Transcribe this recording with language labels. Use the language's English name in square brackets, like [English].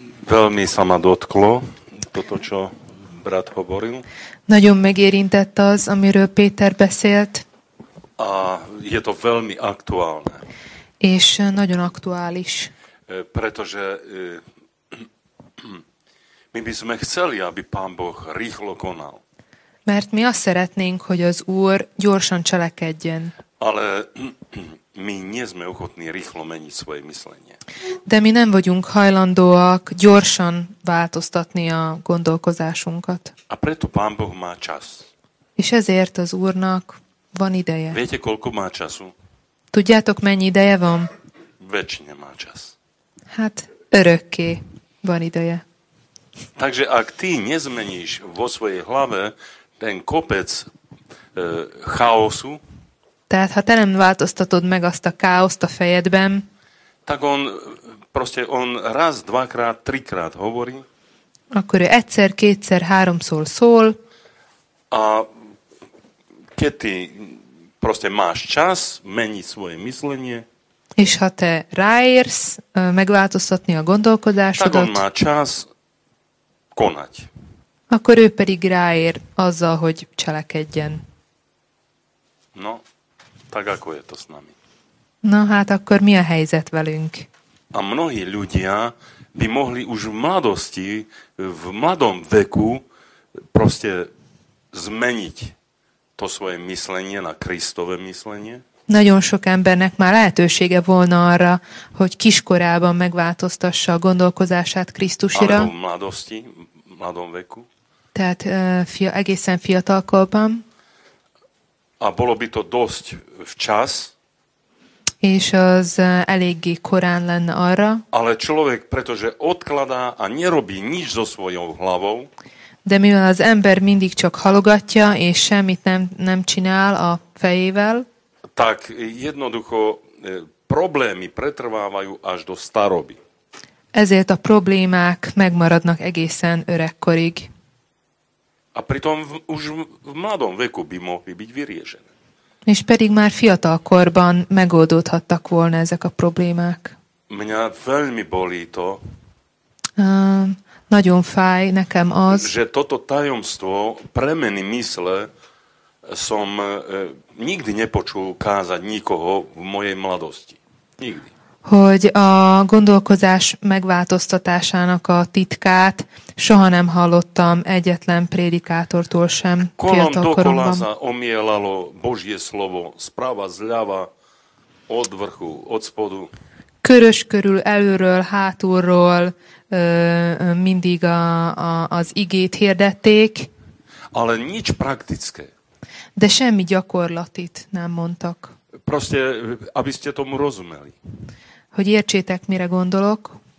[Slovak] Veľmi sa ma dotklo toto, čo brat hovoril. [Hungarian] Nagyon megérintett az, amiről Péter beszélt. [Slovak] A je to veľmi aktuálne. [Hungarian] És nagyon aktuális. [Slovak] Pretože my by sme chceli, aby Pán Boh rýchlo konal. [Hungarian] Mert mi azt szeretnénk, hogy az Úr gyorsan cselekedjen. [Slovak] Ale my nie sme ochotní rýchlo meniť svoje myslenie. [Hungarian] De mi nem vagyunk hajlandóak gyorsan változtatni a gondolkozásunkat. [Slovak] A preto Pán Boh má čas. [Hungarian] És ezért az Úrnak van ideje. [Slovak] Viete, koľko má času? [Hungarian] Tudjátok, mennyi ideje van? [Slovak] Väčšine má čas. [Hungarian] Hát, örökké van ideje. [Slovak] Takže ak ty nezmeníš vo svojej hlave ten kopec chaosu, [Hungarian] tehát ha te nem változtatod meg azt a káoszt a fejedben, [Slovak] tak on proste on raz, dvakrát, trikrát hovorí. [Hungarian] Akkor ő egyszer, kétszer, háromszor szól. [Slovak] A keď ty proste máš čas meniť svoje myslenie. [Hungarian] És ha te ráérsz megváltoztatni a gondolkodásodat. [Slovak] Tak on má čas konať. [Hungarian] Akkor ő pedig ráér azzal, hogy cselekedjen. [Slovak] No, tak ako je to s nami. [Hungarian] No hát akkor mi a helyzet velünk? [Slovak] A mnohí ľudia by mohli už v mladosti, v mladom veku proste zmeniť to svoje myslenie na Kristove myslenie. [Hungarian] Nagyon sok embernek már lehetősége volna arra, hogy kiskorában megváltoztassa a gondolkozását Krisztusira. [Slovak] Alebo v mladosti, v mladom veku. [Hungarian] Tehát egészen fiatalkorban. [Slovak] A bolo by to dosť včas. [Hungarian] És az eléggé korán lenne arra. [Slovak] Ale človek, pretože odkladá a nerobí nič so svojou hlavou. [Hungarian] De mivel az ember mindig csak halogatja, és semmit nem csinál a fejével. [Slovak] Tak jednoducho problémy pretrvávajú až do staroby. [Hungarian] Ezért a problémák megmaradnak egészen öregkorig. [Slovak] A pritom už v mladom veku by mohli byť vyriežené. [Hungarian] És pedig már fiatalkorban megoldódhattak volna ezek a problémák. [Slovak] Mňa veľmi bolí to. [Hungarian] Nagyon fáj nekem az. [Slovak] Že toto tajomstvo premeny mysle som nikdy nepočul kázať nikoho v mojej mladosti. Nikdy. [Hungarian] Hogy a gondolkozás megváltoztatásának a titkát soha nem hallottam egyetlen prédikátortól sem fiatalkoromban. [Slovak] Kolom dokola sa omielalo Božie slovo správa zľava od vrchu, od spodu. [Hungarian] Körös körül, előről, hátulról mindig az igét hirdették. [Slovak] Ale nič praktické. [Hungarian] De semmi gyakorlatit nem mondtak. [Slovak] Proste, aby ste tomu rozumeli. [Hungarian] Hogy értsétek, mire gondolok.